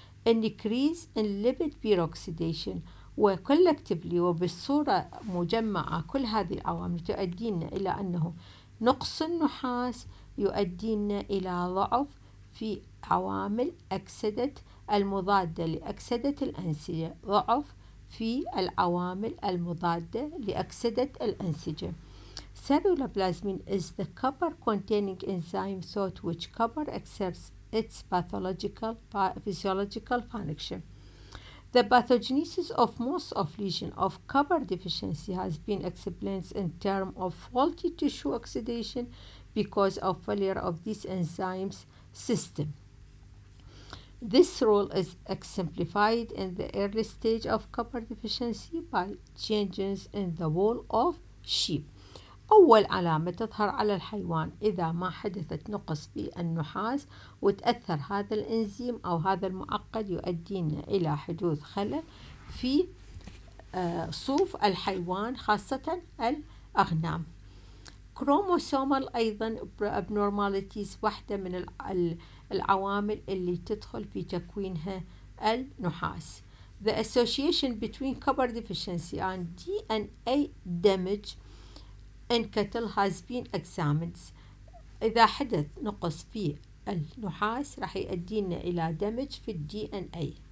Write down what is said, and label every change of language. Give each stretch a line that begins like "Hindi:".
English: and decrease in lipid peroxidation
Arabic: وcollectively وبالصورة مجمعة كل هذه العوامل تؤدينا إلى أنه نقص النحاس يؤدينا إلى ضعف في عوامل أكسدة المضادة لأكسدة الأنسجة ضعف في العوامل المضادة لأكسدة الأنسجة.
English: Cellular plasmin is the copper-containing enzyme thought which copper exerts its pathological physiological function. The pathogenesis of most of lesion of copper deficiency has been explained in terms of faulty tissue oxidation because of failure of this enzyme's system. This role is exemplified in the early stage of copper deficiency by changes in the wool of sheep.
Arabic: أول علامة تظهر على الحيوان إذا ما حدثت نقص في النحاس وتأثر هذا الإنزيم أو هذا المعقد يؤدينا إلى حدوث خلل في صوف الحيوان خاصة الأغنام. Chromosomal أيضا abnormalities واحدة من العوامل اللي تدخل في تكوينها النحاس.
English: The association between copper deficiency and DNA damage in cattle has been examined.
Arabic: إذا حدث نقص في النحاس راح يؤدينا إلى damage في DNA.